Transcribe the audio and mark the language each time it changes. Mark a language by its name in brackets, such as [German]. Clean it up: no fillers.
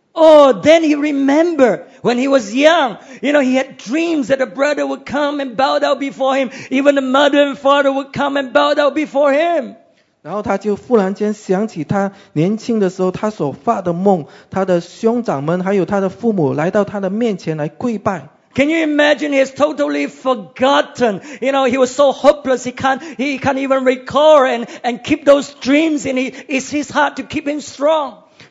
[English] Oh, then he remembered when he was young. You know, he had dreams that a brother would come and bow down before him. Even the mother and father would come and bow down before him. [Chinese] 然后他就忽然间想起他年轻的时候他所发的梦，他的兄长们还有他的父母来到他的面前来跪拜。 [English] Can you imagine he has totally forgotten? You know, he was so hopeless, he can't even recall and keep those dreams in his, it's his heart to keep him strong.